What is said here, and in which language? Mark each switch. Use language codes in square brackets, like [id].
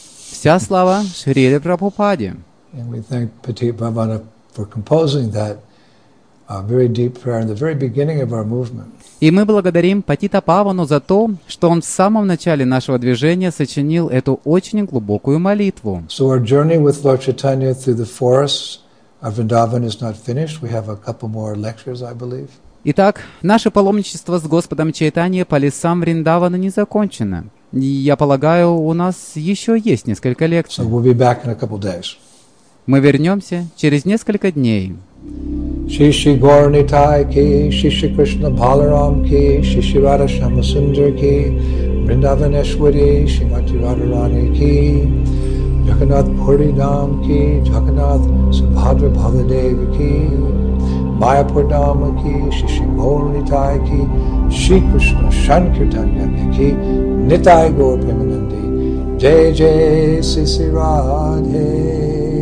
[ru] Вся слава Шриле Прабхупаде. [en] And we thank Patit Bhavana for composing that very deep prayer in the very beginning of our movement. [ru] И мы благодарим Патита Павану за то, что он в самом начале нашего движения сочинил эту очень глубокую молитву. [en] So our journey with Lord Chaitanya through the forests of Vrindavan is not finished. We have a couple more lectures, I believe. [ru] Итак, наше паломничество с Господом Чайтанья по лесам Вриндавана не закончено. Я полагаю, у нас еще есть несколько лекций. [en] So we'll be back in a couple days. [ru] Мы вернемся через несколько дней. [sa] Шиши Горни Тай Ки, Шиши Кришна Баларам Ки, Шиши Рада Шама Сундар Ки, Вриндаванешвари, Шимати Радарани Ки, Джаганнат Пури Дам Ки, Джаганнат Субхадра Бхагадева Ки, Майяпур Дама Ки, Шиши Горни Тай Ки, Шри Кришна Шанкиртанья Ки, Нитай Гор Преманандай, Джей Джей Сиси Радхе.